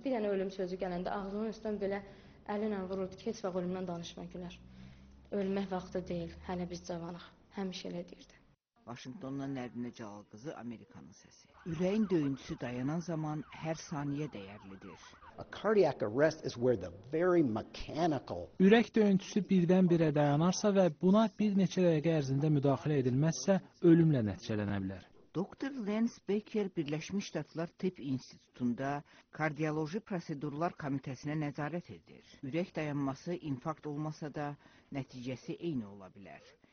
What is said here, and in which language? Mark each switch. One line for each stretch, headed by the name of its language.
Azerbaijani: Bir dənə ölüm sözü gələndə ağzının üstündən belə əlinlə vururdu ki, heç vaxt ölümdən danışma gülər. Ölmək vaxtı deyil, hələ biz cavanıq. Həmişə elə deyirdi. Vaşinqtondan Nərdinə Cəlal qızı, Amerikanın səsi. Ürəyin döyüntüsü dayanan zaman hər saniyə dəyərlidir.
English: A cardiac arrest is where the very mechanical...
Azerbaijani: Ürək döyüntüsü birdən-birə dayanarsa və buna bir neçə dəqiqə ərzində müdaxilə edilməzsə, ölümlə nəticələnə bilər. Dr. Lance Baker Birləşmiş Ştatlar Tibb İnstitutunda Kardioloji Prosedurlar Komitəsinə nəzarət edir. Ürək dayanması infarkt olmasa da nəticəsi eyni ola bilər.